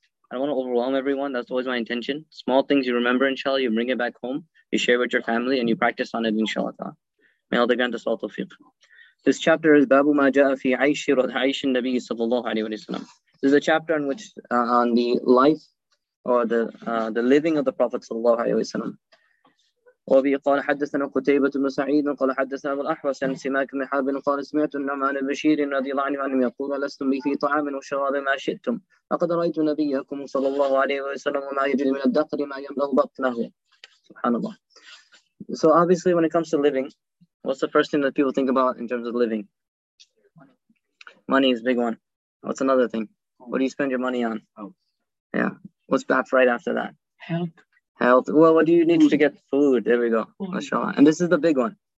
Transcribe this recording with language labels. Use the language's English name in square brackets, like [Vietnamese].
[English] I don't want to overwhelm everyone. That's always my intention. Small things you remember, inshallah, you bring it back home, you share with your family, and you practice on it, inshallah. May Allah grant us all tawfiq. This chapter is Babu Ma Ja'a fi Aishi Aishin Nabi sallallahu alayhi wa sallam. This is a chapter on which on the life or the living of the Prophet sallallahu alayhi wa sallam. [Arabic] وفي قال حدثنا قتيبة بن سعيد قال حدثنا أبو الأحوص عن سماك بن حرب قال سمعت النعمان بشير رضي الله عنه أنهم يقول لستم بي في طعام وشراب ما شئتم لقد رأيت نبيكم صلى الله عليه وسلم وما يجري من الدقر ما يملأ بطنه سبحان الله. [English] So obviously when it comes to living, what's the first thing that people think about in terms of living? Money is a big one. What's another thing? What do you spend your money on? Oh. Yeah. What's back right after that? Health. Well, what do you need to get? Food. There we go. MashaAllah. And this is the big one.